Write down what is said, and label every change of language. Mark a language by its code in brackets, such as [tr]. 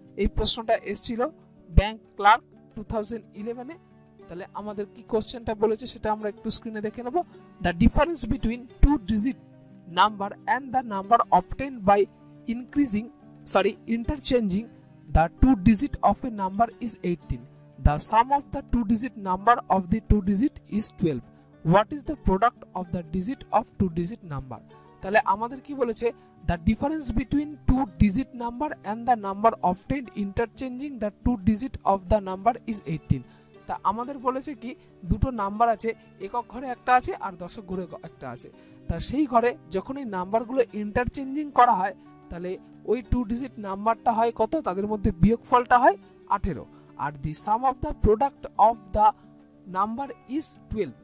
[bn] এই প্রশ্নটা এসেছিল ব্যাংক ক্লার্ক 2011 এ। তাহলে আমাদের কি কোশ্চেনটা বলেছে সেটা আমরা একটু স্ক্রিনে দেখে নেব। [en] The difference between two digit number and the number obtained by increasing interchanging the two digit of a number is 18। The sum of the two digit number of the two digit is 12. What is the product of the digit of two digit number? [bn] তাহলে আমাদের কি বলেছে, [en] the difference between two digit number and the number obtained interchanging the two digit of the number is 18. [bn] তা আমাদের বলেছে কি, দুটো number আছে, একক ঘরে একটা আছে আর দশক ঘরে একটা আছে। তা সেই ঘরে যখন এই নাম্বারগুলো ইন্টারচেঞ্জিং করা হয় তাহলে ওই টু ডিজিট নাম্বারটা হয় কত, তাদের মধ্যে বিয়োগফলটা হয় 18। [en] আর the sum of the product of the number is 12।